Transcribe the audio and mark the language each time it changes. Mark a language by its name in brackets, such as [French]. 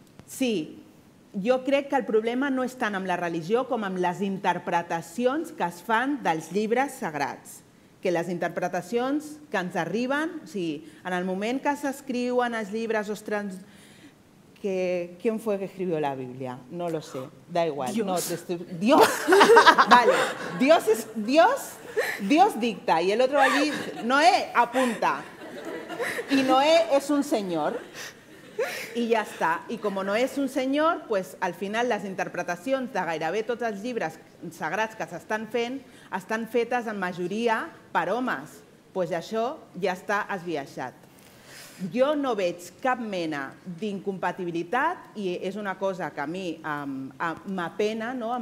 [Catalan] Sí, jo crec que el problema no és tant amb la religió com amb les interpretacions que es fan dels llibres sagrats. Que les interpretacions que ens arriben, o sigui, en el moment que s'escriuen els llibres o es trans... Que... [Spanish] ¿Qui fue que escribió la Biblia? No lo sé, da igual. Dios. No, Dios. Vale. Dios, es... Dios. Dios dicta y el otro allí, Noé, apunta. Y Noé es un señor. [Catalan] I ja està. I com no és un senyor, pues, al final les interpretacions de gairebé tots els llibres sagrats que s'estan fent estan fetes en majoria per homes. Pues això ja està esbiaixat. Jo no veig cap mena d'incompatibilitat i és una cosa que a mi m'apena, no?